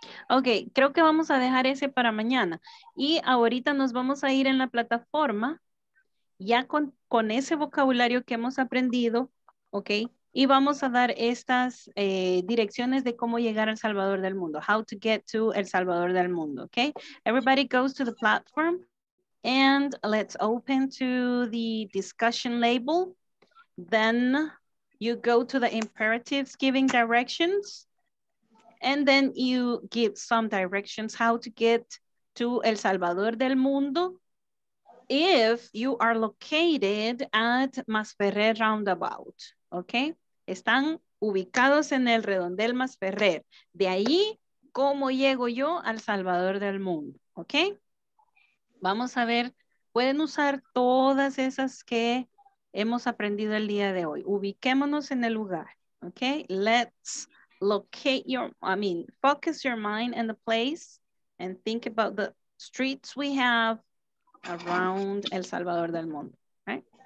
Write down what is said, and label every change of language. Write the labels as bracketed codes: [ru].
[es] Ok, creo que vamos a dejar ese para mañana. Y ahorita nos vamos a ir en la plataforma ya con ese vocabulario que hemos aprendido, ok, y vamos a dar estas direcciones de cómo llegar al Salvador del Mundo. [en] How to get to El Salvador del Mundo, ok. Everybody goes to the platform and let's open to the discussion label. Then you go to the imperatives giving directions. And then you give some directions how to get to El Salvador del Mundo if you are located at Masferrer Roundabout, okay? [es] Están ubicados en el redondel Masferrer. De ahí, ¿cómo llego yo al Salvador del Mundo? Okay? Vamos a ver, pueden usar todas esas que hemos aprendido el día de hoy. Ubiquémonos en el lugar, okay? [en] Let's locate your, focus your mind in the place and think about the streets we have around El Salvador del Mundo, right?